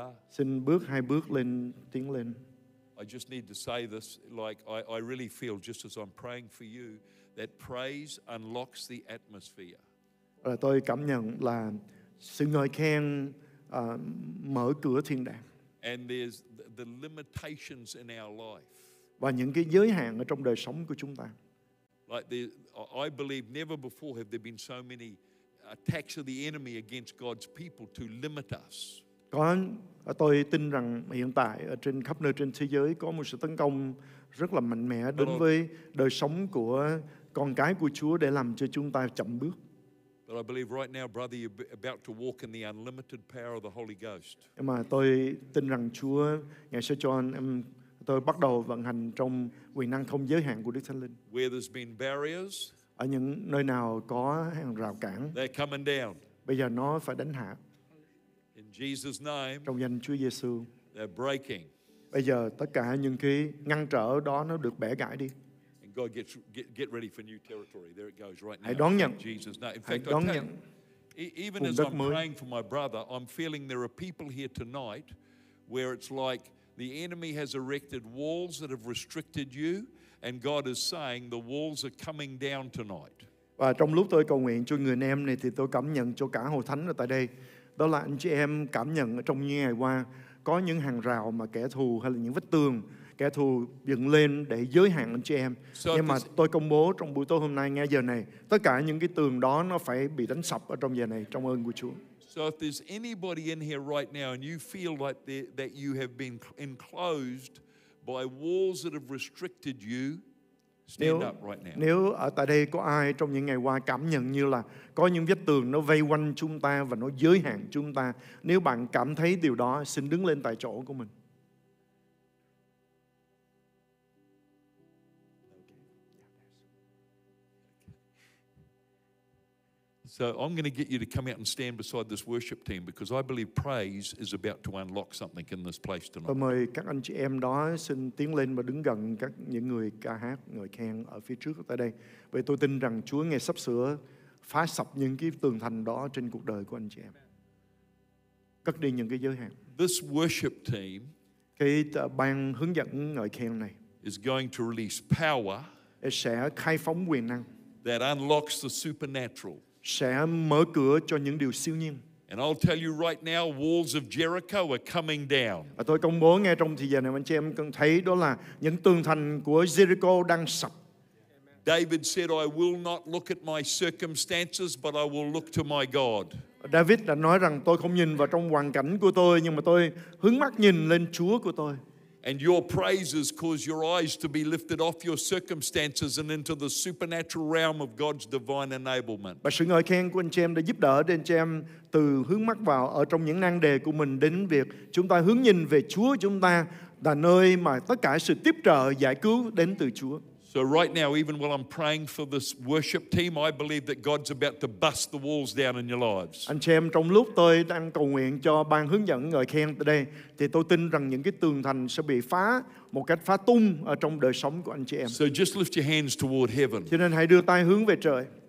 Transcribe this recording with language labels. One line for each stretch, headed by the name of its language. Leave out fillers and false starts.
Vietnamese: Xin bước hai bước lên, tiến lên.
English: I just need to say this, I really feel just as I'm praying for you that praise unlocks the atmosphere.
Vietnamese: Là tôi cảm nhận là sự ngợi khen mở cửa thiên đàng.
English: And there's the limitations in our life.
Vietnamese: Và những cái giới hạn ở trong đời sống của chúng ta.
English: I believe never before have there been so many attacks of the enemy against God's people to limit us.
Vietnamese: Tôi tin rằng hiện tại ở trên khắp nơi trên thế giới có một sự tấn công rất là mạnh mẽ đến với đời sống của con cái của Chúa để làm cho chúng ta chậm bước.
English: But I believe right now, brother, you're about to walk in the unlimited power of the Holy Ghost.
Vietnamese: Mà tôi tin rằng Chúa Ngài sẽ cho anh em Tôi bắt đầu vận hành trong quyền năng không giới hạn của Đức Thánh Linh.
English: Where there's been barriers,
Vietnamese: ở những nơi nào có hàng rào cản,
English: they're coming down.
Vietnamese: Bây giờ nó phải đánh hạ.
English: In Jesus' name,
Vietnamese: trong danh Chúa Giêsu,
English: they're breaking.
Vietnamese: Bây giờ tất cả những cái ngăn trở đó nó được bẻ gãy đi.
English: And God get ready for new territory. There it goes right now.
Vietnamese: Hãy đón nhận.
English: Jesus' name. In fact, even as I'm praying for my brother, I'm feeling there are people here tonight where it's like the enemy has erected walls that have restricted you, and God is saying the walls are coming down tonight.
Vietnamese: Và trong lúc tôi cầu nguyện cho người anh em này thì tôi cảm nhận cho cả hội thánh ở tại đây. Đó là anh chị em cảm nhận trong những ngày qua có những hàng rào mà kẻ thù hay là những vách tường kẻ thù dựng lên để giới hạn anh chị em. Nhưng mà tôi công bố trong buổi tối hôm nay nghe giờ này, tất cả những cái tường đó nó phải bị đánh sập ở trong giờ này trong ơn của Chúa.
English: So if there's anybody in here right now and you feel like that you have been enclosed by walls that have restricted you, stand up right now.
Vietnamese: Nếu ở tại đây có ai trong những ngày qua cảm nhận như là có những vách tường nó vây quanh chúng ta và nó giới hạn chúng ta, nếu bạn cảm thấy điều đó, xin đứng lên tại chỗ của mình.
English: So I'm going to get you to come out and stand beside this worship team because I believe praise is about to unlock something in this place tonight.
Vietnamese: Tôi mời các anh chị em đó xin tiến lên và đứng gần các những người ca hát, người khen ở phía trước tại đây. Vì tôi tin rằng Chúa ngài sắp sửa phá sập những cái tường thành đó trên cuộc đời của anh chị em. Cất đi những cái giới hạn.
English: This worship team,
Vietnamese: cái ban hướng dẫn người khen này,
English: is going to release power.
Vietnamese: Sẽ khai phóng quyền năng.
English: That unlocks the supernatural.
Vietnamese: Sẽ mở cửa cho những điều siêu nhiên.
English: And I'll tell you right now, walls of Jericho are coming down.
Vietnamese: Và tôi công bố nghe trong thời gian này, anh chị em cần thấy đó là những tường thành của Jericho đang sập.
English: David said, I will not look at my circumstances, but I will look to my God.
Vietnamese: David đã nói rằng tôi không nhìn vào trong hoàn cảnh của tôi, nhưng mà tôi hướng mắt nhìn lên Chúa của tôi.
English: And your praises cause your eyes to be lifted off your circumstances and into the supernatural realm of God's divine enablement.
Vietnamese: Và sự ngợi khen của anh chị em đã giúp đỡ đến anh chị em từ hướng mắt vào ở trong những năng đề của mình đến việc chúng ta hướng nhìn về Chúa chúng ta là nơi mà tất cả sự tiếp trợ giải cứu đến từ Chúa.
English: So right now, even while I'm praying for this worship team, I believe that God's about to bust the walls down in your lives.
Vietnamese: Anh chị em, trong lúc tôi đang cầu nguyện cho ban hướng dẫn ngợi khen tại đây, thì tôi tin rằng những cái tường thành sẽ bị phá một cách phá tung ở trong đời sống của anh chị em.
English: So just lift your hands toward heaven.
Vietnamese: Cho nên hãy đưa tay hướng về trời.